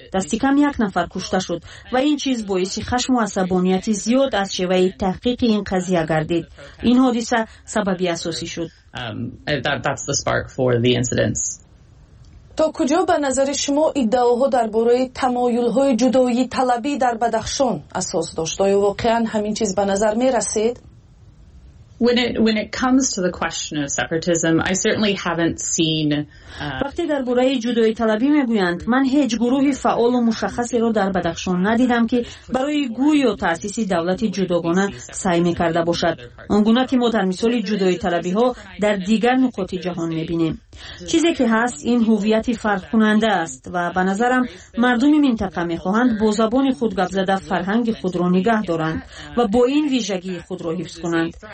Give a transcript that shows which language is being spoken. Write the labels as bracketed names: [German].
[Persian] دست کم یک نفر کشته شد و این چیز باعث خشم و عصبانیت زیاد از شیوه تحقیق این قضیه گردید. این حادثه سببی اساسی شد. [English] That's the spark for the incidents. [Persian] تا کجا به نظر شما ادعاها درباره تمایل‌های جدایی طلبی در بدخشان اساس داشت؟ آیا واقعاً همین چیز به نظر می‌رسید؟ [English] When it comes to the question of separatism, I certainly haven't seen [Persian] وقتی درباره جدایی طلبی میگویند من هیچ گروهی فعال و مشخصی را در بدخشان ندیدم که برای گویی و تأسیس دولت جداگانه سعی میکرده باشد. آنگونه که ما در مثال جدایی طلبی ها در دیگر نقاط جهان میبینیم. چیزی که هست این هویت فرق کننده است و به نظرم مردم منطقه میخواهند با زبان خود گپ زده فرهنگ خود را نگه دارند و با این ویژگی خود را حفظ کنند.